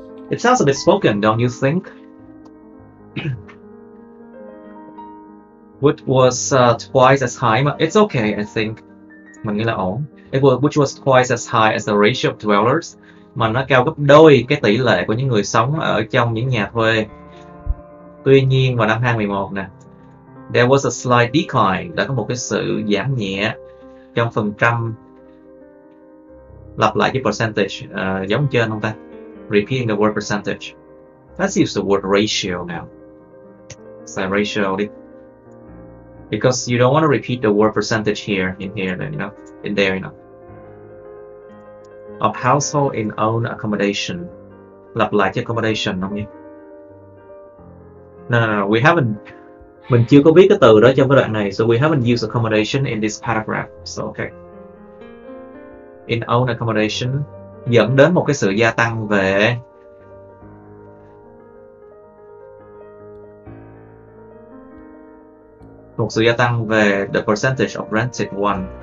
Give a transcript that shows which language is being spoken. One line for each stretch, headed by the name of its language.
English: It sounds a bit spoken, don't you think? Which was twice as high. It's okay, I think.
Vietnamese: Mình nghĩ là ổn.
English: Which was twice as high as the ratio of dwellers.
Vietnamese: Mà nó cao gấp đôi cái tỷ lệ của những người sống ở trong những nhà thuê. Tuy nhiên vào năm 2011 nè,
English: there was a slight decline,
Vietnamese: đã có một cái sự giảm nhẹ trong phần trăm. Lặp lại cái percentage giống trên không ta?
English: Repeating the word percentage. Let's use the word ratio now. Say ratio đi. Because you don't want to repeat the word percentage here, then, you know, in there, you know. Of household in own accommodation.
Vietnamese: Lặp lại cho accommodation không nhỉ?
English: No, we haven't.
Vietnamese: Mình chưa có viết cái từ đó trong cái đoạn này.
English: So we haven't used accommodation in this paragraph. So okay. In own accommodation
Vietnamese: dẫn đến một cái sự gia tăng về một sự gia tăng về
English: the percentage of rented one.